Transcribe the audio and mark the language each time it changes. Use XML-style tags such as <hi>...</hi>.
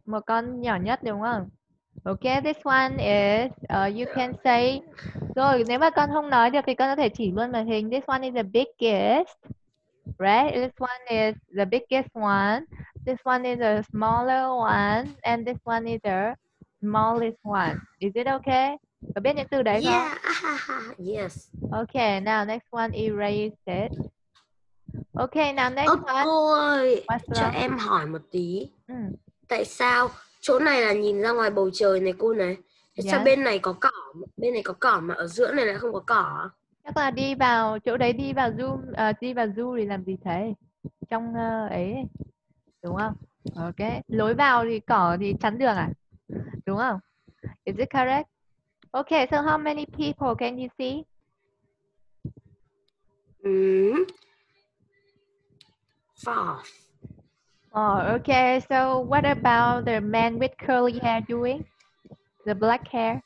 <vi>Một con nhỏ nhất đúng không? Okay.</vi> <en>This one is. You can say.</en> <vi>Rồi, nếu mà con không nói được thì con có thể chỉ luôn màn hình.</vi> <en>This one is the biggest. Right, this one is the biggest one, this one is the smaller one, and this one is the smallest one. Is it okay?</en> <vi>Có biết những từ đấy không?</vi> <en>Yes. Okay, now next one, erase it. Okay, now next one.</en> <vi>Cô ơi, cho em hỏi một tí. Tại sao chỗ này là nhìn ra ngoài bầu trời này cô này? Tại sao bên này có cỏ mà ở giữa này lại không có cỏ? Chắc là đi vào chỗ đấy, đi vào zoom đi vào zoo thì làm gì thế trong ấy đúng không? Ok, lối vào thì cỏ thì chắn đường à, đúng không?</vi> <en>Is it correct? Ok, so how many people can you see? Four. Ok, so what about the man with curly hair doing, the black hair?</en>